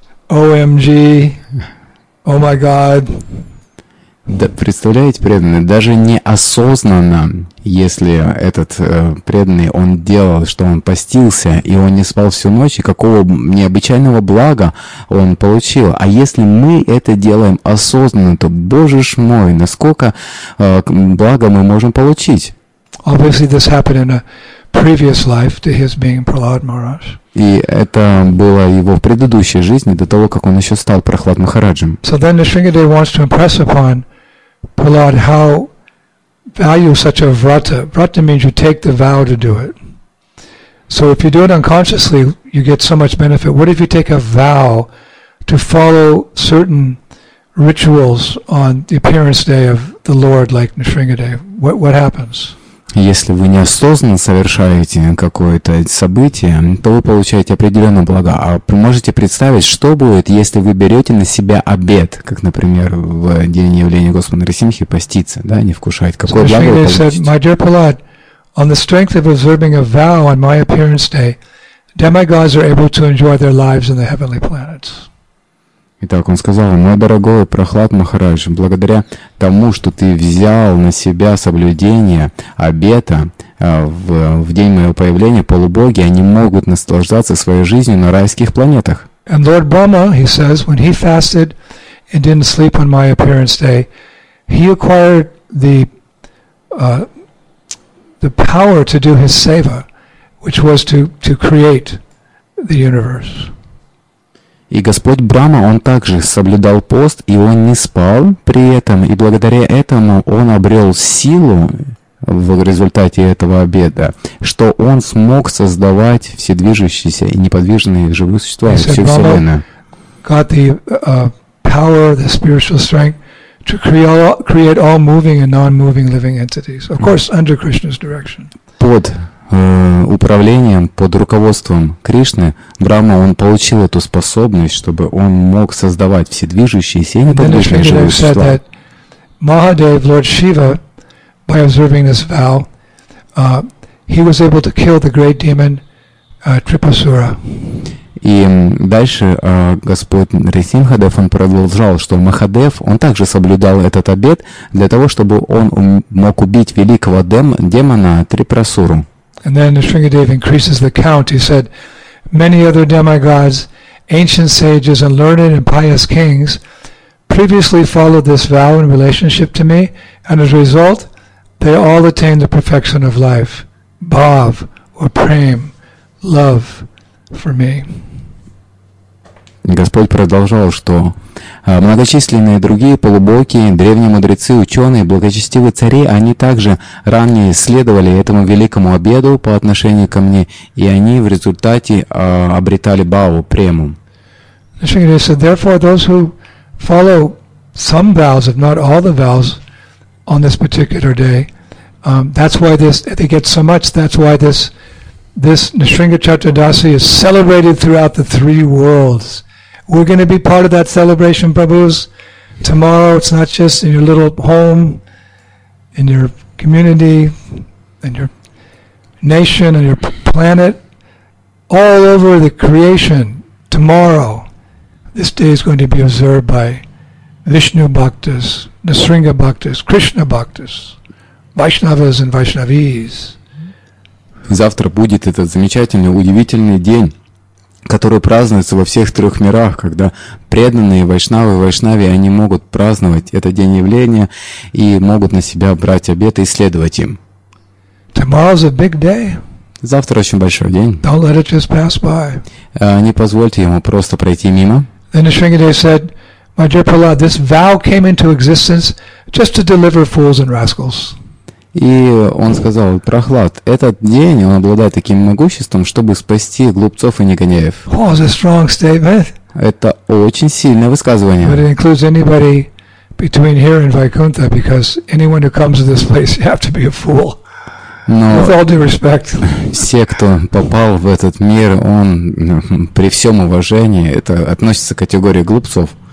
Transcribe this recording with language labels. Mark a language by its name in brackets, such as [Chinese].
[English] OMG! Oh my God! [Russian] Да, представляете, преданные, даже неосознанно, если этот преданный, он делал, что он постился, и он не спал всю ночь, и какого необычайного блага он получил. А если мы это делаем осознанно, то, Боже ж мой, насколько блага мы можем получить? [English] Obviously, this happened in a previous life to his being Prahlad Maharaj. [Russian] И это было его в предыдущей жизни, до того, как он еще стал Прохлад Махараджем. [English] So then the Shringadev wants to impress upon Prahlad how value such a vrata. Vrata means you take the vow to do it. So if you do it unconsciously, you get so much benefit. What if you take a vow to follow certain rituals on the appearance day of the Lord, like Nrisingadev? What happens? [Russian] Если вы неосознанно совершаете какое-то событие, то вы получаете определенное благо. А можете представить, что будет, если вы берете на себя обет, как, например, в день явления Господа Нарасимхи поститься, да, не вкушать, какое благо вы получите? [English] Said, my dear Prahlad, on the strength of observing a vow on my appearance day, demigods are able to enjoy their lives in the heavenly planets. [Russian] Итак, он сказал: мой дорогой Прохлад Махарадж, благодаря тому, что ты взял на себя соблюдение обета в день моего появления, полубоги, они могут наслаждаться своей жизнью на райских планетах. [English] And Lord Brahma, he says, when he fasted and didn't sleep on my appearance day, he acquired the power to do his seva, which was to create the universe. [Russian] И Господь Брама, он также соблюдал пост, и он не спал при этом, и благодаря этому он обрел силу в результате этого обеда, что он смог создавать вседвижущиеся и неподвижные живые существа, всю Вселенную. [English] Got the power, the spiritual strength to create all moving and non-moving living entities. Of course, under Krishna's direction. [Russian] Под управлением, под руководством Кришны, Брама, он получил эту способность, чтобы он мог создавать вседвижущиеся и неподвижные живые существа. [English] Mahadev, Lord Shiva, by observing this vow, he was able to kill the great demon Tripasura. [Russian] И дальше Господь Нарасимхадев, он продолжал, что Махадев, он также соблюдал этот обет для того, чтобы он мог убить великого демона Трипрасуру. [English] And then Nrisingadev increases the count. He said, many other demigods, ancient sages, and learned and pious kings previously followed this vow in relationship to me, and as a result, they all attained the perfection of life, bhav, or prem, love for me. [Russian] Господь продолжал, что многочисленные другие полубоги, древние мудрецы, ученые, благочестивые цари, они также ранее следовали этому великому обеду по отношению ко мне, и они в результате обретали бхаву, прему. [English] Nrisingadev said, therefore, those who follow some vows, if not all the vows, on this particular day, that's why they get so much, that's why this Nrisinga Chaturdasi is celebrated throughout the three worlds. We're going to be part of that celebration, Prabhus. Tomorrow, it's not just in your little home, in your community, in your nation, in your planet. All over the creation, tomorrow, this day is going to be observed by Vishnu Bhaktas, Nisringa Bhaktas, Krishna Bhaktas, Vaishnavas and Vaishnavis. [Russian] Завтра будет этот замечательный, удивительный день, который празднуется во всех трех мирах, когда преданные вайшнавы и вайшнави, они могут праздновать этот день явления и могут на себя брать обеты и следовать им. [English] Tomorrow's a big day. [Russian] Завтра очень большой день. [English] Don't let it just pass by. [Russian] Не позвольте ему просто пройти мимо. [English] Then Nisringadev said, my dear Prahlad, this vow came into existence just to deliver fools and rascals. [Russian] И он сказал, Прохлад, этот день, он обладает таким могуществом, чтобы спасти глупцов и негодяев. [English] Oh, a strong statement. [Russian] Это очень сильное высказывание. [English] But it includes anybody between here and Vaikuntha, because anyone who comes to this place, you have to be a fool. [Russian] Но [English] with all due respect. [Russian] Все, кто попал в этот мир, он при всем уважении, это относится к категории глупцов.